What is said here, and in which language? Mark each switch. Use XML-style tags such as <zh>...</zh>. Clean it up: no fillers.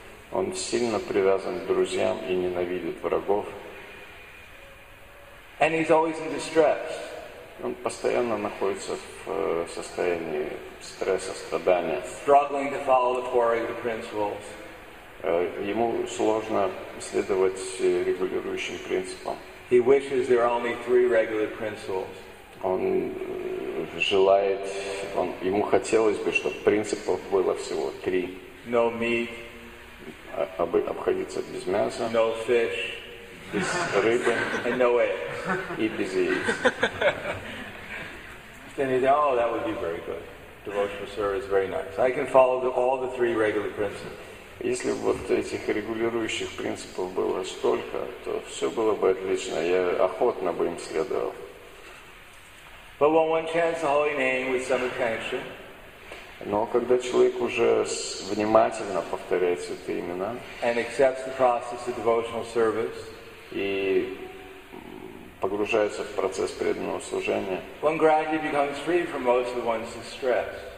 <ru>Он сильно привязан к друзьям и ненавидит врагов.</ru> <en>And he's always in distress.</en> <ru>Он постоянно находится в состоянии стресса, страдания.</ru> <en>Struggling to follow the quarry of the principles.</en> <ru>Ему сложно следовать регулирующим принципам.</ru> <en>He wishes there are only three regular principles.</en> <ru>Он желает, ему хотелось бы, чтобы принципов было всего три.</ru> <en>No meat.</en> <ru>Обходиться без мяса.</ru> <en>No fish.</en> <ru>Без рыбы.</ru> <en>And no eggs.</en> <ru>И без яиц.</ru> <en>And he said, "Oh, that would be very good. Devotional service is very nice. I can follow all the three regular principles."</en> <ru>Если вот этих регулирующих принципов было столько, то все было бы отлично. Я охотно бы им следовал.</ru> <en>But when one chants the holy name with some attention,</en> <ru>но когда человек уже внимательно повторяет святые имена,</ru> <en>and accepts the process of devotional service,</en> <ru>и погружается в процесс преданного служения,</ru> <en>one gradually becomes free from most of one's distress.</en>